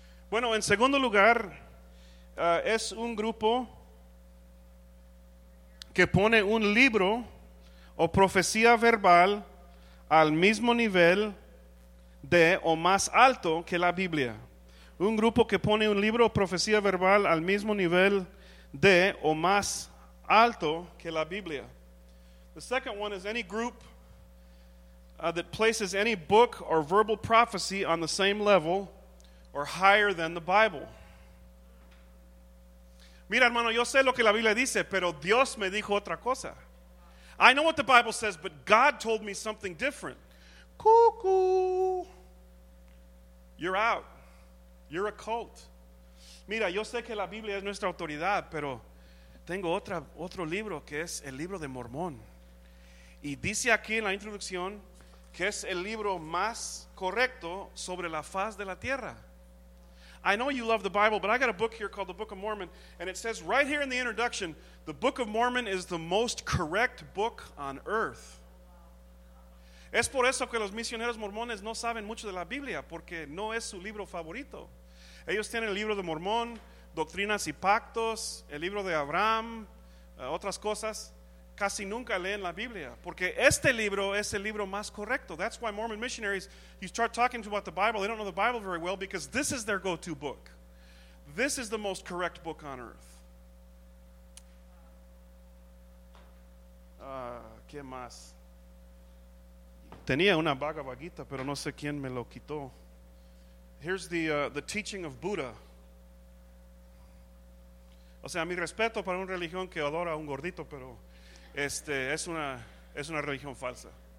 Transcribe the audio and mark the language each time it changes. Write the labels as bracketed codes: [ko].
[es] Bueno, en segundo lugar, es un grupo que pone un libro o profecía verbal al mismo nivel de o más alto que la Biblia. Un grupo que pone un libro o profecía verbal al mismo nivel de o más alto que la Biblia. [en] The second one is any group that places any book or verbal prophecy on the same level or higher than the Bible. [es] Mira, hermano, yo sé lo que la Biblia dice, pero Dios me dijo otra cosa. [en] I know what the Bible says, but God told me something different. Cuckoo. You're out. You're a cult. [es] Mira, yo sé que la Biblia es nuestra autoridad, pero tengo otro libro que es el libro de Mormón. Y dice aquí en la introducción que es el libro más correcto sobre la faz de la tierra. [en] I know you love the Bible, but I got a book here called the Book of Mormon, and it says right here in the introduction, the Book of Mormon is the most correct book on earth. [es] Es por eso que los misioneros mormones no saben mucho de la Biblia, porque no es su libro favorito. Ellos tienen el libro de Mormón, Doctrinas y Pactos, el libro de Abraham, otras cosas. Casi nunca leen la Biblia, porque este libro es el libro más correcto. [en] That's why Mormon missionaries, you start talking to about the Bible, they don't know the Bible very well, because this is their go-to book. This is the most correct book on earth. [es] ¿Qué más? Tenía una Bhagavad Gita, pero no sé quién me lo quitó. [en] Here's the teaching of Buddha. [es] O sea, mi respeto para una religión que adora a un gordito, pero es una religión falsa.